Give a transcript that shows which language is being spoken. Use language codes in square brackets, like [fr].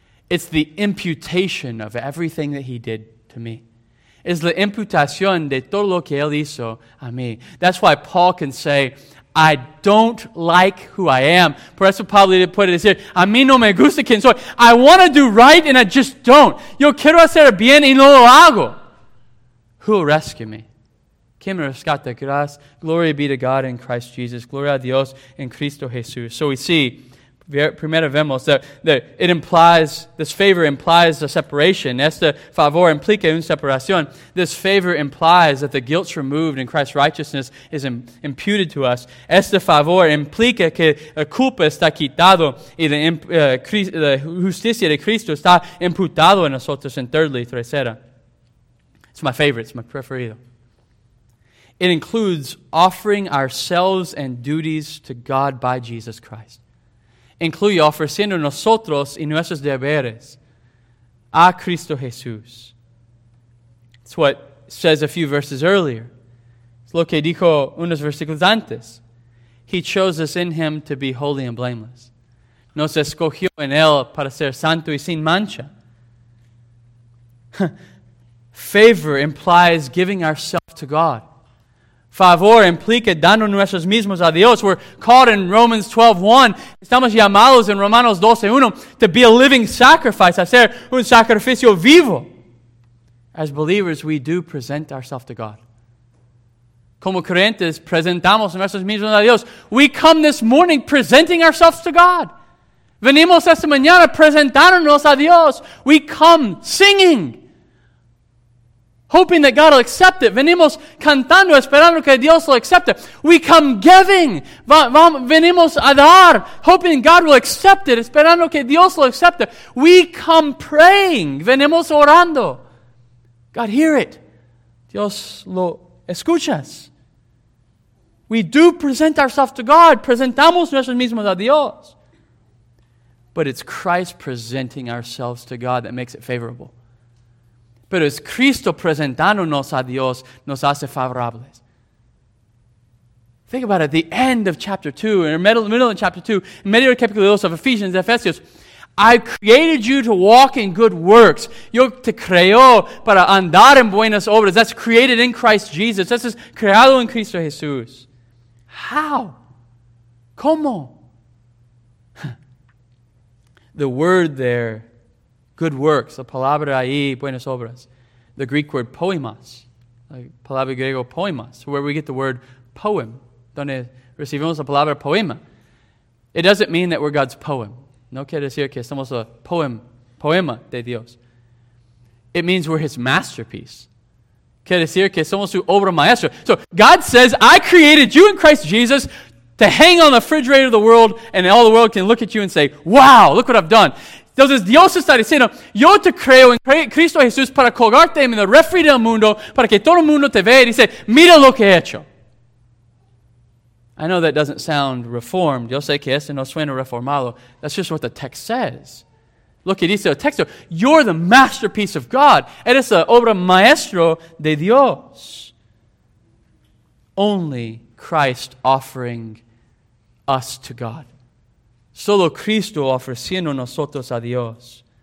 [en] It's the imputation of everything that he did to me. [es] Es la imputación de todo lo que él hizo a mí. [en] That's why Paul can say, I don't like who I am. [es] Por eso Pablo le puede decir, a mí no me gusta quien soy. [en] I want to do right and I just don't. [es] Yo quiero hacer bien y no lo hago. [en] Who will rescue me? [es] Quien me rescata, gracias. [en] Glory be to God in Christ Jesus. [es] Gloria a Dios en Cristo Jesús. [en] So we see, [es] primero vemos, [en] that it implies, this favor implies a separation. [es] Este favor implica una separación. [en] This favor implies that the guilt's removed and Christ's righteousness is imputed to us. [es] Este favor implica que la culpa está quitado y la justicia de Cristo está imputado en nosotros. [en] And thirdly, [es] tercera. [en] It's my favorite, it's my [es] preferido. [en] It includes offering ourselves and duties to God by Jesus Christ. [es] Incluye ofreciendo nosotros y nuestros deberes a Cristo Jesús. [en] It's what says a few verses earlier. [es] Es lo que dijo unos versículos antes. [en] He chose us in him to be holy and blameless. [es] Nos escogió en él para ser santo y sin mancha. [en] Favor implies giving ourselves to God. [es] Favor implica dando nuestros mismos a Dios. [en] We're called in Romans 12:1. [es] Estamos llamados en Romanos 12:1 [en] to be a living sacrifice, [es] a ser un sacrificio vivo. [en] As believers, we do present ourselves to God. [es] Como creyentes, presentamos nuestros mismos a Dios. [en] We come this morning presenting ourselves to God. [es] Venimos esta mañana presentándonos a Dios. [en] We come singing, hoping that God will accept it. [es] Venimos cantando, esperando que Dios lo acepte. [en] We come giving. [es] Venimos a dar, [en] hoping God will accept it, [es] esperando que Dios lo acepte. [en] We come praying. [es] Venimos orando. [en] God, hear it. [es] Dios lo escuchas. [en] We do present ourselves to God. [es] Presentamos nosotros mismos a Dios. [en] But it's Christ presenting ourselves to God that makes it favorable. [es] Pero es Cristo presentándonos a Dios nos hace favorables. [en] Think about it. The end of chapter 2, or middle of chapter 2, [es] medio del capítulo 2 [en] of Ephesians, Ephesians. I created you to walk in good works. [es] Yo te creo para andar en buenas obras. [en] That's created in Christ Jesus. That's just [es] creado en Cristo Jesús. How? ¿Cómo? [en] The word there, good works, [es] la palabra ahí, buenas obras, [en] the Greek word poemas, [es] la palabra griego poemas, [en] where we get the word poem, [es] donde recibimos la palabra poema. [en] It doesn't mean that we're God's poem. [es] No quiere decir que somos a poema de Dios. [en] It means we're his masterpiece. [es] Quiere decir que somos su obra maestra. [en] So God says, I created you in Christ Jesus to hang on the refrigerator of the world, and all the world can look at you and say, wow, look what I've done. [es] Entonces Dios está diciendo, yo te creo en Cristo Jesús para colgarte en el refri del mundo, para que todo el mundo te vea y dice, mira lo que he hecho. [en] I know that doesn't sound reformed. [es] Yo sé que este no suena reformado. [en] That's just what the text says. [es] Lo que dice el texto, [en] you're the masterpiece of God. [es] Eres la obra maestro de Dios. [en] Only Christ offering us to God. [es] Solo Cristo ofreciendo nosotros a Dios.